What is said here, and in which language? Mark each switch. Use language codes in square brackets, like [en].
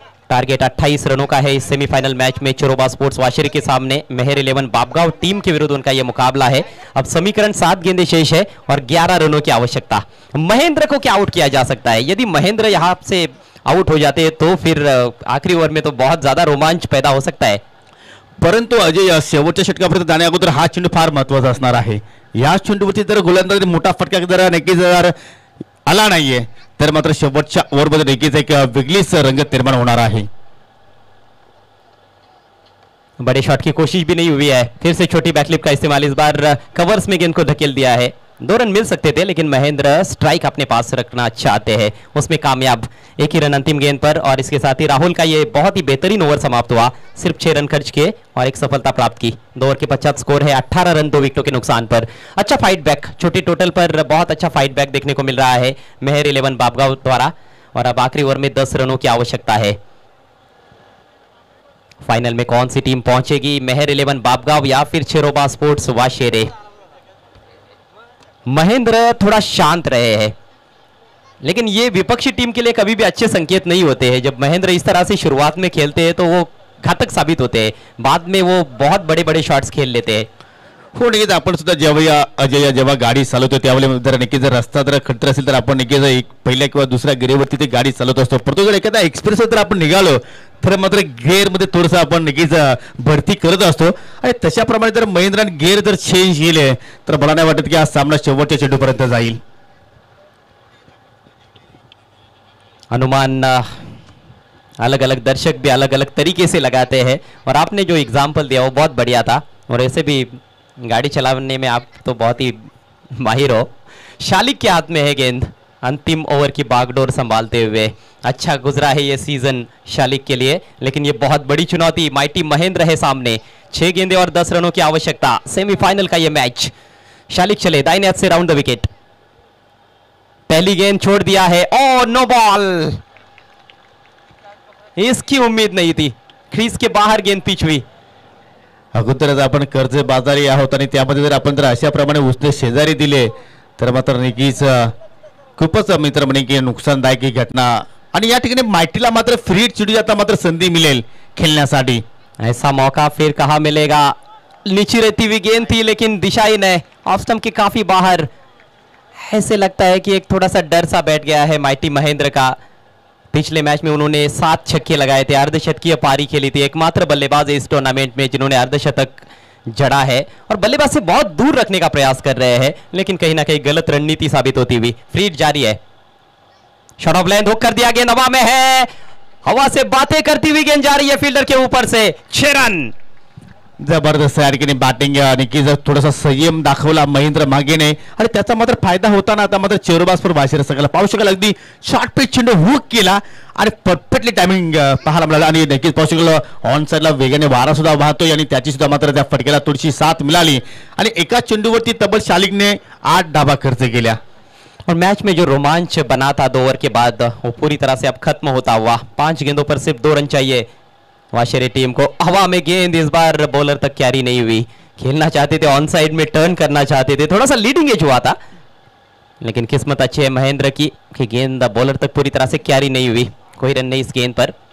[hi] Target 28 रनों का है इस सेमीफाइनल मैच में चरोबा स्पोर्ट्स वाशेरी के सामने। मेहर 11 बाबगांव टीम के विरुद्ध उनका यह मुकाबला है। अब समीकरण 7 गेंदे शेष है और 11 रनों की आवश्यकता। महेंद्र को क्या आउट किया जा सकता है? यदि महेंद्र यहां से आउट हो जाते हैं तो फिर आखिरी ओवर में तो बहुत ज्यादा रोमांच पैदा हो सकता है, [mr] परंतु अजय शेवटच्या षटकापर्यंत जाने अगोदर हा चेंडू फार महत्वाचा असणार आहे। या चेंडूवरती जर गोलंदाज मोठा फटका जर नक्कीच जर आला नाहीये तर मात्र शेवटच्या ओव्हर मध्ये नक्कीच एक वेगळी रंगत निर्माण होणार आहे। [hi] बड़े शॉट की कोशिश भी नहीं हुई है, फिर से छोटी बैकलिप का इस्तेमाल, इस बार कवर्स में गेंद को धकेल दिया है। 2 रन मिल सकते थे लेकिन महेंद्र स्ट्राइक अपने पास रखना चाहते हैं, उसमें कामयाब, एक ही रन अंतिम गेंद पर। और इसके साथ ही राहुल का ये बहुत ही बेहतरीन ओवर समाप्त हुआ, सिर्फ 6 रन खर्च किए और एक सफलता प्राप्त की। 2 ओवर के पश्चात स्कोर है 18 रन 2 विकेटों के नुकसान पर। अच्छा फाइट बैक, छोटी टोटल पर बहुत अच्छा फाइट बैक देखने को मिल रहा है मेहर 11 बाबगांव द्वारा। और अब आखिरी ओवर में 10 रनों की आवश्यकता है। फाइनल में कौन सी टीम पहुंचेगी, मेहर 11 बाबगांव या फिर चरोबा स्पोर्ट्स वाशेरे? महेंद्र थोड़ा शांत रहे हैं लेकिन ये विपक्षी टीम के लिए कभी भी अच्छे संकेत नहीं होते हैं। जब महेंद्र इस तरह से शुरुआत में खेलते हैं तो वो घातक साबित होते हैं, बाद में वो बहुत बड़े बड़े शॉट्स खेल लेते हैं। [mr] हो नक्कीच आपण सुद्धा जेव्हा अजय जेव्हा गाडी चालवतो त्यावेळी जर नक्कीच जर रस्ता जर खड्डा असेल तर आपण नक्कीच एक पहिल्या किंवा दुसऱ्या गिरेवरती ती गाडी चालवत असतो. परंतु जर एखादा एक्सप्रेस जर आपण निघालो तर मात्र गिअरमध्ये थोडस आपण नक्कीच भरती करत असतो. आणि तशाप्रमाणे जर महिंद्राने गिअर जर चेंज केले तर मला नाही वाटत की हा सामना शेवटच्या चेंडूपर्यंत जाईल. [hi] हनुमान अलग अलग दर्शक भी अलग अलग तरीके से लगाते हैं और आपने जो एग्जाम्पल दिया वो बहुत बढ़िया था और ऐसे भी गाड़ी चलाने में आप तो बहुत ही माहिर हो. शालिक के हाथ में है गेंद, अंतिम ओवर की बागडोर संभालते हुए. अच्छा गुजरा है ये सीजन शालिक के लिए, लेकिन ये बहुत बड़ी चुनौती माइटी महेंद्र है सामने. 6 गेंदें और 10 रनों की आवश्यकता, सेमीफाइनल का ये मैच. शालिक चले दाएं हाथ से राउंड द विकेट, पहली गेंद छोड़ दिया है. ओ नो बॉल, इसकी उम्मीद नहीं थी, क्रीज के बाहर गेंद पिच हुई. [mr] अगोदर आपण कर्ज बाजारी आहोत आणि त्यामध्ये जर आपण जर अशा प्रमाणे उसने शेजारी दिले तर मात्र नक्कीच खूपच मित्र म्हणे की नुकसानदायक ही घटना. आणि या ठिकाणी माटीला मात्र फ्री चिडू जाता मात्र संधी मिळेल खेळण्यासाठी. [hi] ऐसा मौका फिर कहां मिलेगा, नीची रहती हुई गेंद थी लेकिन दिशा ही नहीं, ऑफ स्टंप के काफी बाहर. ऐसे लगता है कि एक थोड़ा सा डर सा बैठ गया है माइटी महेंद्र का. पिछले मैच में उन्होंने 7 छक्के लगाए थे, अर्धशतकीय पारी खेली थी. एकमात्र बल्लेबाज इस टूर्नामेंट में जिन्होंने अर्धशतक जड़ा है और बल्लेबाज से बहुत दूर रखने का प्रयास कर रहे हैं, लेकिन कहीं ना कहीं गलत रणनीति साबित होती हुई. फ्रीट जारी है, शॉट ऑफ लेंथ हुक कर दिया, गेंद हवा में है, हवा से बातें करती हुई गेंद जा रही है फील्डर के ऊपर से. 6 रन, [mr] जबरदस्त यार बैटिंग आणि थोडासा संयम दाखवला महेंद्र मागेने आणि त्याचा मात्र फायदा होताना आता मात्र चेरोबासपूर वाशिर सगळ्याला पाहू शकला. अगदी शॉर्ट पिच चेंडू हुक केला आणि परफेक्टली टायमिंग पाहायला मिळाला आणि नक्कीच पाहू शकलो ऑन साईडला वेगाने वारा सुद्धा वाहतोय आणि त्याची सुद्धा मात्र त्या फटक्याला थोडीशी साथ मिळाली आणि एका चेंडूवरती तब्बल शालिकने 8 धावा खर्च केल्या. [hi] और मैच में जो रोमांच बना था 2 ओवर के बाद वो पूरी तरह से अब खत्म होता हुआ. 5 गेंदों पर सिर्फ 2 रन चाहिए वाशेरी टीम को. हवा में गेंद, इस बार बॉलर तक कैरी नहीं हुई. खेलना चाहते थे ऑन साइड में, टर्न करना चाहते थे, थोड़ा सा लीडिंग एज हुआ था, लेकिन किस्मत अच्छी है महेंद्र की कि गेंद बॉलर तक पूरी तरह से कैरी नहीं हुई, कोई रन नहीं इस गेंद पर.